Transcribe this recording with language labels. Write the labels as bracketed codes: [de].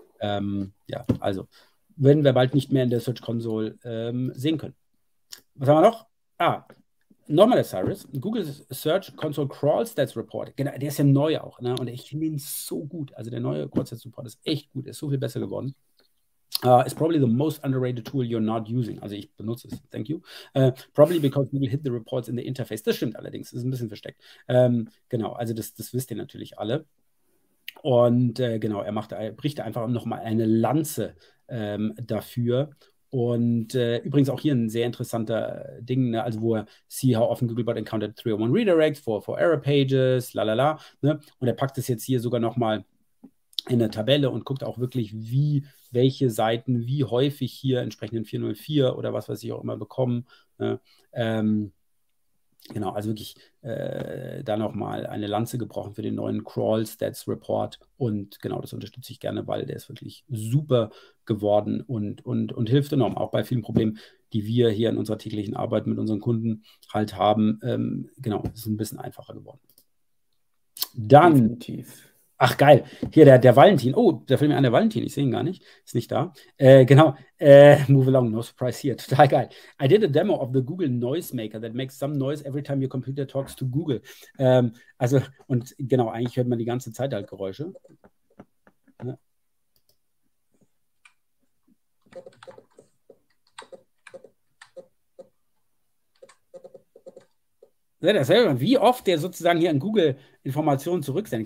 [de] Ja, also werden wir bald nicht mehr in der Search Console sehen können. Was haben wir noch? Ah, nochmal der Cyrus, Google Search Console Crawl Stats Report, genau, der ist ja neu auch, ne? Und ich finde ihn so gut. Also der neue Crawl Stats Report ist echt gut, ist so viel besser geworden. [en] It's probably the most underrated tool you're not using. [de] Also ich benutze es, [en] thank you. Probably because Google hid the reports in the interface. [de] Das stimmt allerdings, ist ein bisschen versteckt. Genau, also das wisst ihr natürlich alle. Und genau, bricht einfach nochmal eine Lanze dafür. Und übrigens auch hier ein sehr interessanter Ding, ne? Also wo er [en] see how often Googlebot encountered 301 Redirects for Error Pages, lalala, ne? [de] Und er packt es jetzt hier sogar nochmal in der Tabelle und guckt auch wirklich, wie welche Seiten wie häufig hier entsprechenden 404 oder was weiß ich auch immer bekommen. Ne? Genau, also wirklich da nochmal eine Lanze gebrochen für den neuen Crawl Stats Report. Und genau, das unterstütze ich gerne, weil der ist wirklich super geworden und hilft enorm. Auch bei vielen Problemen, die wir hier in unserer täglichen Arbeit mit unseren Kunden halt haben. Genau, es ist ein bisschen einfacher geworden. Dann, Definitiv. ach geil, hier der Valentin. Oh, da fällt mir an, der Valentin, ich sehe ihn gar nicht. Ist nicht da. Genau. [en] Move along, no surprise here. [de] Total geil. [en] I did a demo of the Google Noise Maker that makes some noise every time your computer talks to Google. [de] Also, und genau, eigentlich hört man die ganze Zeit halt Geräusche. Dasselbe. Wie oft der sozusagen hier an Google Informationen zurücksendet.